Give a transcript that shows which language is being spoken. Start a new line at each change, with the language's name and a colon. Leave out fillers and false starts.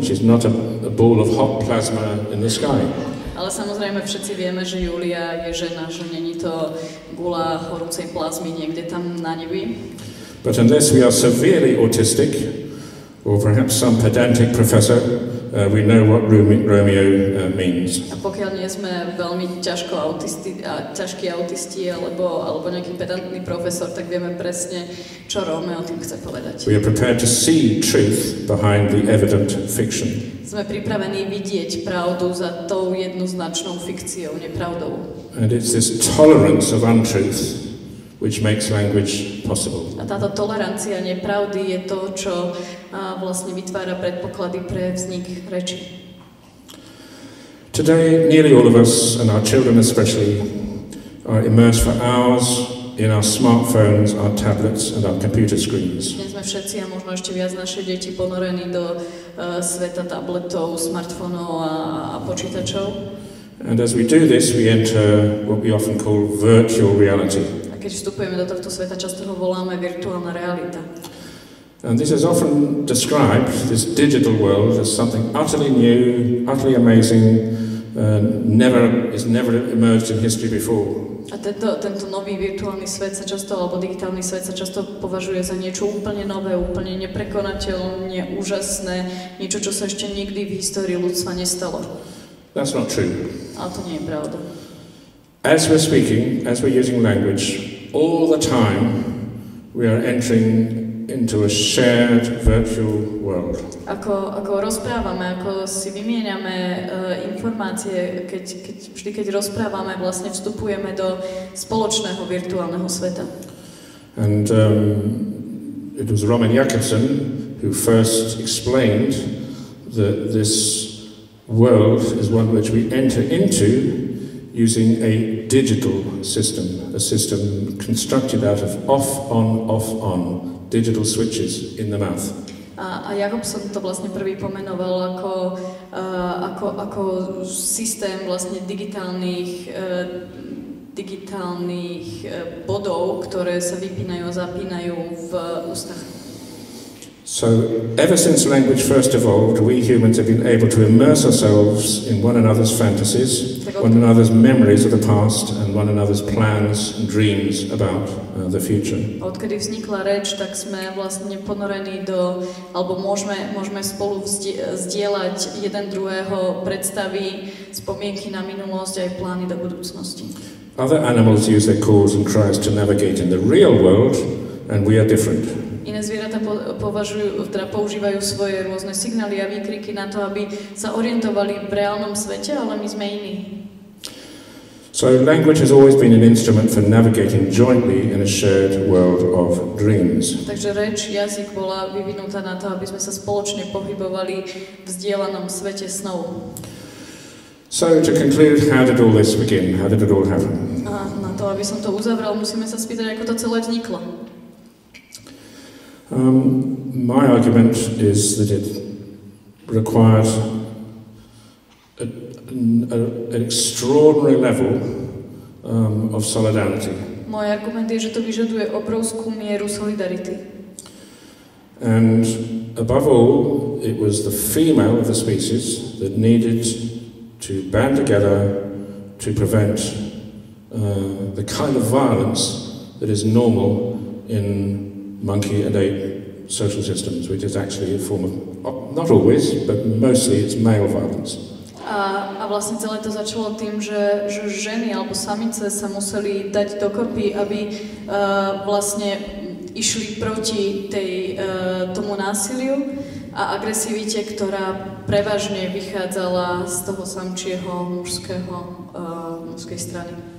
English: She's not a ball of hot plasma in the sky.
Slovak: Ale samozrejme všetci vieme, že Julia je žena, že není to gula horúcej plazmy niekde tam na nebi.
English: But unless we are severely autistic, or perhaps some pedantic professor, we know what Romeo means.
Slovak: A pokiaľ nie sme veľmi ťažko autisti, ťažkí autisti, alebo nejaký pedantný profesor, tak vieme presne, čo Romeo tým chce povedať.
English: We are prepared to see truth behind the evident fiction.
Slovak: Sme pripravení vidieť pravdu za tou jednoznačnou fikciou, nepravdou.
English: And it's this tolerance of untruth which makes language possible.
Slovak: A táto tolerancia nepravdy je to, čo vlastne vytvára predpoklady pre vznik reči.
English: Today, nearly all of us, and our children especially, are immersed for hours in our smartphones, our tablets, and our computer screens.
Slovak: Dnes sme všetci a možno ešte viac naše deti ponorení do sveta tabletov, smartfónov a počítačov.
English: And as we do this, we enter what we often call virtual reality.
Slovak: Keď vstupujeme do tohto sveta, často ho voláme virtuálna realita.
English: And this is often described, this digital world, as something utterly new, utterly amazing, never emerged in history before.
Slovak: A tento nový virtuálny svet sa často, alebo digitálny svet sa často považuje za niečo úplne nové, úplne neprekonateľné, úžasné, niečo, čo sa ešte nikdy v histórii ľudstva nestalo.
English: That's not true.
Slovak: Ale to nie je pravda.
English: As we're speaking, as we're using language, all the time we are entering into a shared virtual world.
Slovak: Ako rozprávame, ako si vymieňame informácie, keď rozprávame, vlastne vstupujeme do spoločného virtuálneho sveta.
English: And it was Roman Jakobson who first explained that this world is one which we enter into using a digital system, a system constructed out of off, on, off, on, digital switches in the mouth.
Slovak: A Jakobson to vlastne prvý pomenoval ako systém vlastne digitálnych bodov, ktoré sa vypínajú a zapínajú v ústach.
English: So, ever since language first evolved, we humans have been able to immerse ourselves in one another's fantasies, one another's memories of the past, and one another's plans and dreams about the future.
Slovak: Odkedy vznikla reč, tak sme vlastne ponorení do, alebo môžeme spolu zdieľať jeden druhého predstavy, spomienky na minulosť aj plány do budúcnosti.
English: Other animals use their calls and cries to navigate in the real world, and we are different.
Slovak: Iné zvieratá používajú svoje rôzne signály a výkriky na to, aby sa orientovali v reálnom svete, ale my sme iní.
English: So language has always been an instrument for navigating jointly in a shared world of dreams.
Slovak: Takže reč, jazyk bola vyvinutá na to, aby sme sa spoločne pohybovali v zdieľanom svete snov.
English: So to conclude, how did all this begin? How did it all happen?
Slovak: A na to, aby som to uzavral, musíme sa spýtať, ako to celé vzniklo.
English: My argument is that it required an extraordinary level of solidarity.
Slovak: Môj argument je, že to vyžaduje obrovskú mieru solidarity.
English: And above all, it was the female of the species that needed to band together to prevent the kind of violence that is normal in monkey and ape social systems, which is actually a form of, not always, but mostly it's male violence.
Slovak: A vlastne celé to začalo tým, že ženy alebo samice sa museli dať dokopy, aby vlastne išli proti tomu násiliu a agresivite, ktorá prevažne vychádzala z toho samčieho mužského, mužskej strany.